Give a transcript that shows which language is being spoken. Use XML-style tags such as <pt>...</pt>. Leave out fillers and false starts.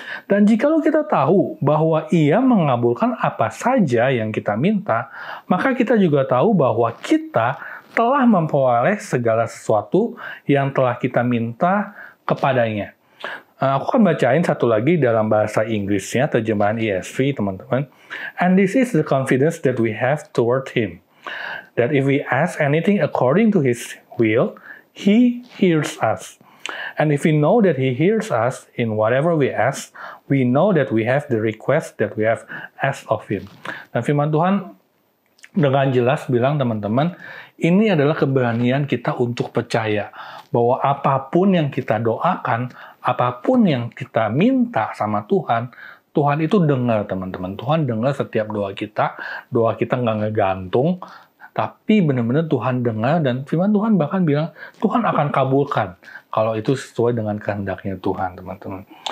<id>Dan jikalau kita tahu bahwa Ia mengabulkan apa saja yang kita minta, maka kita juga tahu bahwa kita telah memperoleh segala sesuatu yang telah kita minta kepadanya. Aku akan bacain satu lagi dalam bahasa Inggrisnya, terjemahan ESV, teman-teman.</id> <en>And this is the confidence that we have toward Him, that if we ask anything according to His will, He hears us. And if we know that He hears us in whatever we ask, we know that we have the request that we have asked of Him.</en> <id>Dan firman Tuhan dengan jelas bilang, teman-teman, ini adalah keberanian kita untuk percaya bahwa apapun yang kita doakan, apapun yang kita minta sama Tuhan, Tuhan itu dengar, teman-teman. Tuhan dengar setiap doa kita nggak ngegantung, tapi benar-benar Tuhan dengar, dan firman Tuhan bahkan bilang, Tuhan akan kabulkan kalau itu sesuai dengan kehendaknya Tuhan, teman-teman.</id>